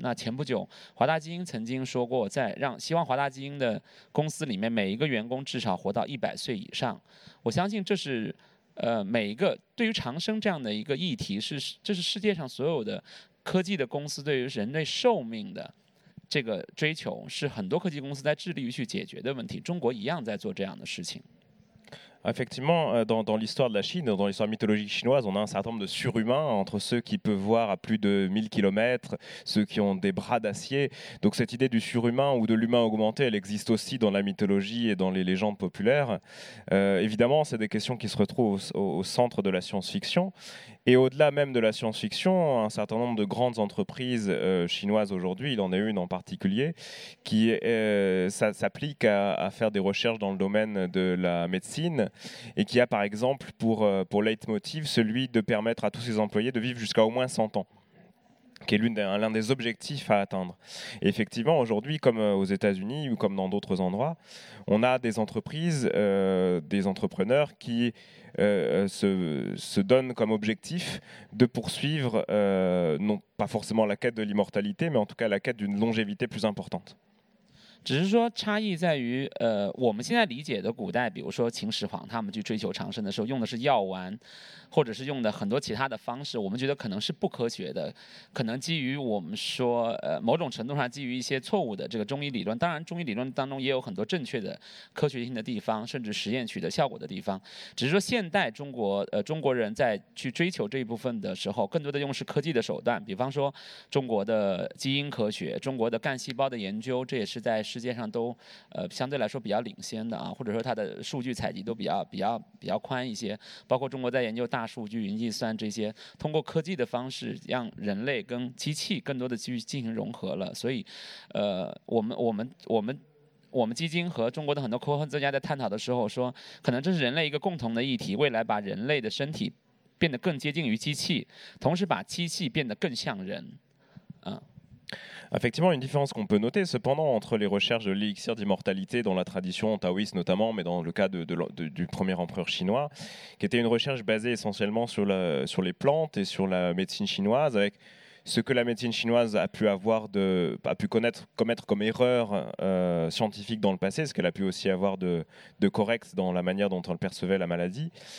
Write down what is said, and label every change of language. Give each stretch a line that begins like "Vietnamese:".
Chinese: 那前不久，华大基因曾经说过，在让希望华大基因的公司里面每一个员工至少活到100岁以上。我相信这是每一个对于长生这样的一个议题，是这是世界上所有的科技的公司对于人类寿命的这个追求，是很多科技公司在致力于去解决的问题。中国一样在做这样的事情。
French: Effectivement, dans l'histoire de la Chine, dans l'histoire mythologique chinoise, on a un certain nombre de surhumains entre ceux qui peuvent voir à plus de 1000 km, ceux qui ont des bras d'acier. Donc cette idée du surhumain ou de l'humain augmenté, elle existe aussi dans la mythologie et dans les légendes populaires. Évidemment, c'est des questions qui se retrouvent au centre de la science-fiction. Et au-delà même de la science-fiction, un certain nombre de grandes entreprises chinoises aujourd'hui, il en est une en particulier, qui s'applique à faire des recherches dans le domaine de la médecine et qui a par exemple pour leitmotiv celui de permettre à tous ses employés de vivre jusqu'à au moins 100 ans. Qui est l'un des objectifs à atteindre. Et effectivement, aujourd'hui, comme aux États-Unis ou comme dans d'autres endroits, on a des entreprises, des entrepreneurs qui se donnent comme objectif de poursuivre, non pas forcément la quête de l'immortalité, mais en tout cas la quête d'une longévité plus importante.
Chinese: 只是说差异在于我们现在理解的古代，比如说秦始皇他们去追求长生的时候用的是药丸，或者是用的很多其他的方式，我们觉得可能是不科学的，可能基于我们说某种程度上基于一些错误的这个中医理论。当然中医理论当中也有很多正确的科学性的地方，甚至实验取得效果的地方，只是说现代中国人在去追求这一部分的时候，更多的用是科技的手段，比方说中国的基因科学，中国的干细胞的研究，这也是在世界上都相对来说比较领先的啊，或者说它的数据采集都比较宽一些，包括中国在研究大数据云计算，这些通过科技的方式让人类跟机器更多的去进行融合了。所以我们基金和中国的很多科幻作家在探讨的时候说，可能这是人类一个共同的议题，未来把人类的身体变得更接近于机器，同时把机器变得更像人啊。
French: Effectivement, une différence qu'on peut noter cependant entre les recherches de l'élixir d'immortalité dans la tradition taoïste notamment, mais dans le cas du premier empereur chinois, qui était une recherche basée essentiellement sur les plantes et sur la médecine chinoise, avec ce que la médecine chinoise a pu commettre comme erreur scientifique dans le passé, ce qu'elle a pu aussi avoir de correct dans la manière dont elle percevait la maladie.